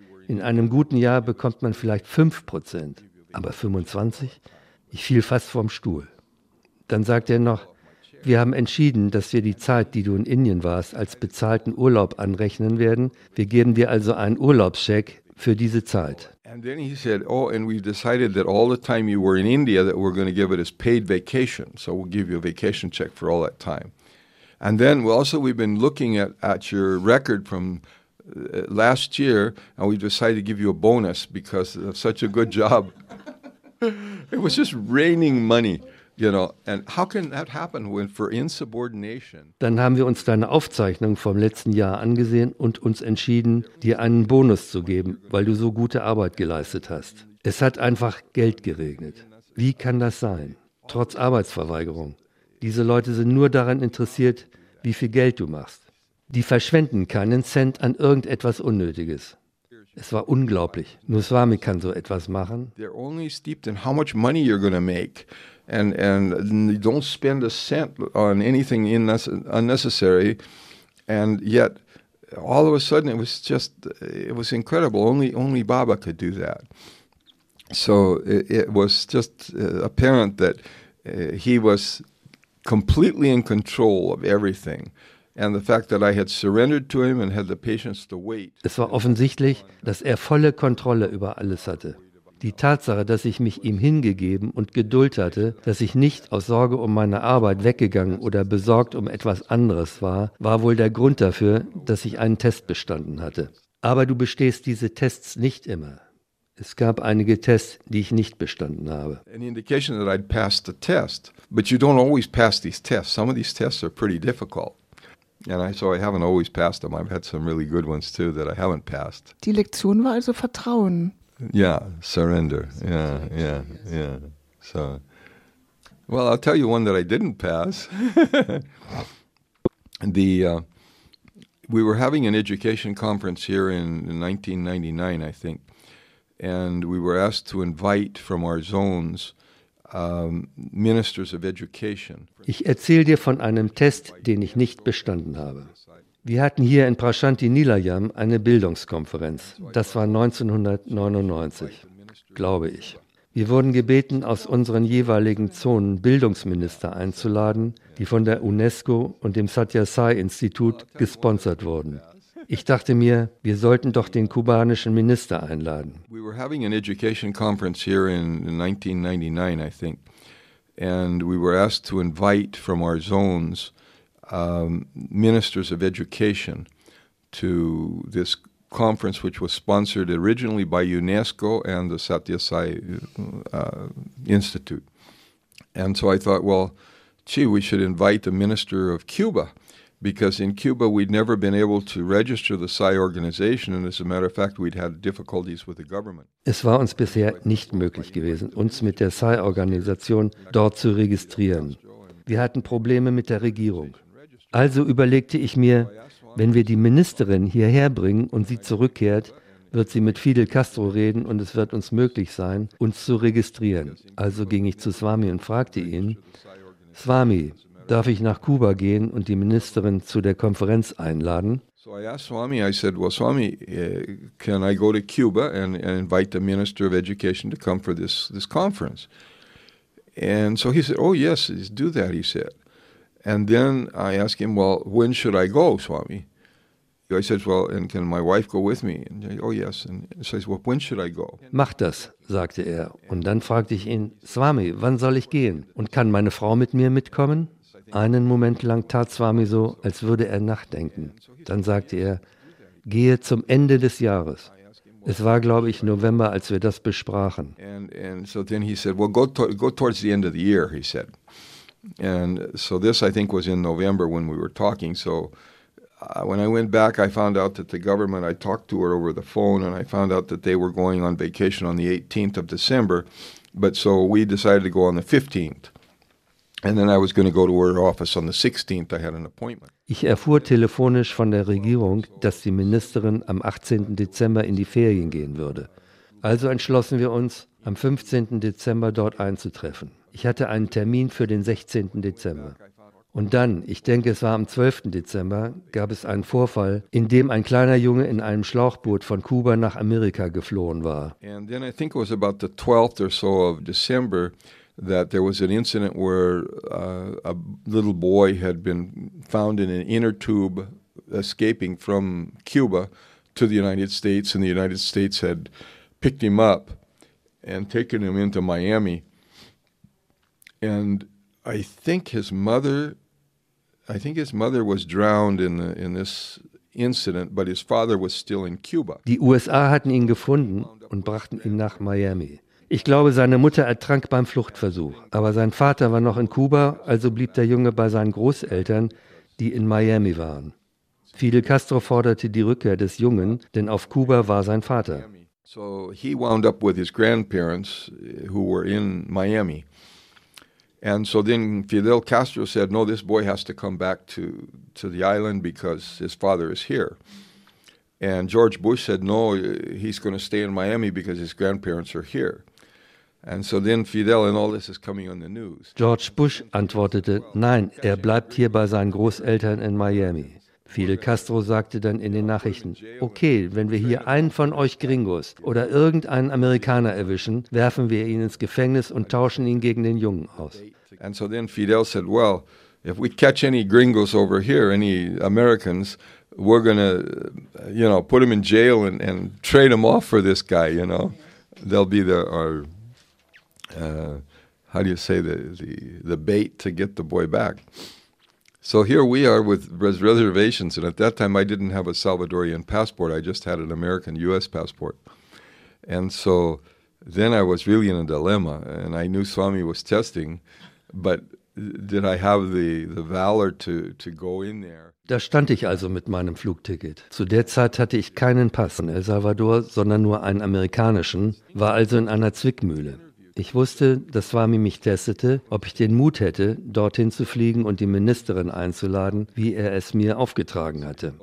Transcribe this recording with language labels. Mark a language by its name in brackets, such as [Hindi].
[German] In einem guten Jahr bekommt man vielleicht 5%. Aber 25? Ich fiel fast vom Stuhl. Dann sagt er noch, wir haben entschieden, dass wir die Zeit, die du in Indien warst, als bezahlten Urlaub anrechnen werden. Wir geben dir also einen Urlaubscheck für diese Zeit. [English] And then he said, oh, and we've decided that all the time you were in India, that we're going to give it as paid vacation. So we'll give you a vacation check for all that time. And then we also we've been looking at your record from last year, and we decided to give you a bonus because of such a good job. It was just raining money, you know. And how can that happen when for insubordination? [German] Dann haben wir uns deine Aufzeichnung vom letzten Jahr angesehen und uns entschieden, dir einen Bonus zu geben, weil du so gute Arbeit geleistet hast. Es hat einfach Geld geregnet. Wie kann das sein? Trotz Arbeitsverweigerung. Diese Leute sind nur daran interessiert, wie viel Geld du machst. Die verschwenden keinen Cent an irgendetwas Unnötiges. Es war unglaublich. Nur Swami kann so etwas machen. [English] They're only steeped in how much money you're gonna make. And don't spend a cent on anything unnecessary. And yet, all of a sudden, it was incredible. Only Baba could do that. So it was just apparent that he was completely in control of everything. And the fact that I had surrendered to him and had the patience to wait. [German] Es war offensichtlich, dass er volle Kontrolle über alles hatte. Die Tatsache, dass ich mich ihm hingegeben und Geduld hatte, dass ich nicht aus Sorge um meine Arbeit weggegangen oder besorgt um etwas anderes war, war wohl der Grund dafür, dass ich einen Test bestanden hatte. Aber du bestehst diese Tests nicht immer. Es gab einige Tests, die ich nicht bestanden habe. [English] Any indication that I'd passed the test, but you don't always pass these tests. Some of these tests are pretty difficult. And I haven't always passed them. I've had some really good ones too that I haven't passed. [German] Die Lektion war also Vertrauen. [English] Yeah, surrender. Yeah. So, well, I'll tell you one that I didn't pass. We were having an education conference here in 1999, I think, and we were asked to invite from our zones. Ministers of education. [German] Ich erzähle dir von einem Test, den ich nicht bestanden habe. Wir hatten hier in Prashanthi Nilayam eine Bildungskonferenz. Das war 1999, glaube ich. Wir wurden gebeten, aus unseren jeweiligen Zonen Bildungsminister einzuladen, die von der UNESCO und dem Satya Sai Institut gesponsert wurden. Ich dachte mir, wir sollten doch den kubanischen Minister einladen. [English] We were having an education conference here in 1999, I think, and we were asked to invite from our zones ministers of education to this conference, which was sponsored originally by UNESCO and the Satya Sai Institute. And so I thought, well, gee, we should invite the minister of Cuba. Because in Cuba we'd never been able to register the Sai organization, and as a matter of fact, we'd had difficulties with the government. [German] Es war uns bisher nicht möglich gewesen, uns mit der Sai-Organisation dort zu registrieren. Wir hatten Probleme mit der Regierung. Also überlegte ich mir, wenn wir die Ministerin hierher bringen und sie zurückkehrt, wird sie mit Fidel Castro reden und es wird uns möglich sein, uns zu registrieren. Also ging ich zu Swami und fragte ihn, Swami, darf ich nach Kuba gehen und die Ministerin zu der Konferenz einladen? [English] So I asked Swami, I said, well, Swami, can I go to Cuba and invite the Minister of Education to come for this conference? And so he said, oh yes, do that, he said. And then I asked him, well, when should I go, Swami? I said, well, and can my wife go with me? And he said, oh yes. And so he said, well, when should I go? [German] Mach das, sagte er. Und dann fragte ich ihn, Swami, wann soll ich gehen? Und kann meine Frau mit mir mitkommen? Einen Moment lang tat Swami so, als würde er nachdenken. Dann sagte er, gehe zum Ende des Jahres. Es war, glaube ich, November, als wir das besprachen. [English] And so then he said, well, go towards the end of the year, he said. And so this, I think, was in November when we were talking. So when I went back, I found out that the government, I talked to her over the phone, and I found out that they were going on vacation on the 18th of December. But so we decided to go on the 15th. And then I was going to go to her office on the 16th. I had an appointment. [German] Ich erfuhr telefonisch von der Regierung, dass die Ministerin am 18. Dezember in die Ferien gehen würde. Also entschlossen wir uns, am 15. Dezember dort einzutreffen. Ich hatte einen Termin für den 16. Dezember. Und dann, ich denke, es war am 12. Dezember, gab es einen Vorfall, in dem ein kleiner Junge in einem Schlauchboot von Kuba nach Amerika geflohen war. [English] And then I think it was about the 12th or so of December that there was an incident where a little boy had been found in an inner tube escaping from Cuba to the United States, and the United States had picked him up and taken him into Miami. And I think his mother was drowned in this incident, but his father was still in Cuba. [German] Die USA hatten ihn gefunden und brachten ihn nach Miami. Ich glaube, seine Mutter ertrank beim Fluchtversuch, aber sein Vater war noch in Kuba, also blieb der Junge bei seinen Großeltern, die in Miami waren. Fidel Castro forderte die Rückkehr des Jungen, denn auf Kuba war sein Vater. [English] So he wound up with his grandparents who were in Miami. And so then Fidel Castro said, no, this boy has to come back to the island because his father is here. And George Bush said, no, he's going to stay in Miami because his grandparents are here. And so then Fidel and all this is coming on the news. [German] George Bush antwortete, nein, er bleibt hier bei seinen Großeltern in Miami. Fidel Castro sagte dann in den Nachrichten, okay, wenn wir hier einen von euch Gringos oder irgendeinen Amerikaner erwischen, werfen wir ihn ins Gefängnis und tauschen ihn gegen den Jungen aus. [English] And so then Fidel said, well, if we catch any Gringos over here, any Americans, we're going to, you know, put him in jail and trade him off for this guy, you know. They'll be the, how do you say, the bait to get the boy back. So here we are with reservations, and at that time I didn't have a Salvadorian passport. I just had an American U.S. passport. And so then I was really in a dilemma, and I knew Swami was testing, but did I have the valor to go in there? [German] Da stand ich also mit meinem Flugticket. Zu der Zeit hatte ich keinen Pass in El Salvador, sondern nur einen amerikanischen, war also in einer Zwickmühle. Ich wusste, dass Swami mich testete, ob ich den Mut hätte, dorthin zu fliegen und die Ministerin einzuladen, wie er es mir aufgetragen hatte.